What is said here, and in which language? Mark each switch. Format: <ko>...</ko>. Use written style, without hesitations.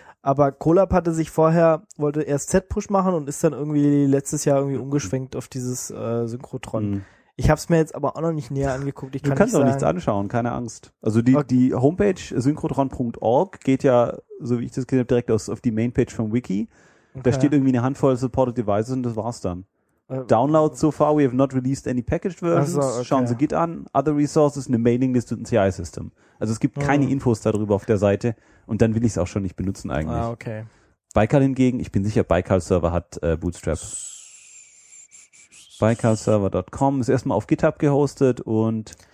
<de>Aber Colab hatte sich vorher, wollte erst Zpush machen und ist dann irgendwie letztes Jahr irgendwie umgeschwenkt auf dieses Synchrotron. Ich habe es mir jetzt aber auch noch nicht näher angeguckt. Du kannst auch nichts anschauen, keine Angst. Also die Homepage synchrotron.org geht ja, so wie ich das gesehen habe, direkt auf die Mainpage vom Wiki. Da steht irgendwie eine Handvoll Supported Devices und das war's dann.</de> <en>Download so far, we have not released any packaged versions.</en> <de>Schauen Sie Git an.</de> <en>Other resources,</en> <de>eine Mailinglist und ein CI-System. Also es gibt keine Infos darüber auf der Seite und dann will ich es auch schon nicht benutzen eigentlich. Ah, okay. Baikal hingegen, ich bin sicher, Baikal-Server hat Bootstrap. Baikalserver.com ist erstmal auf GitHub gehostet und</de>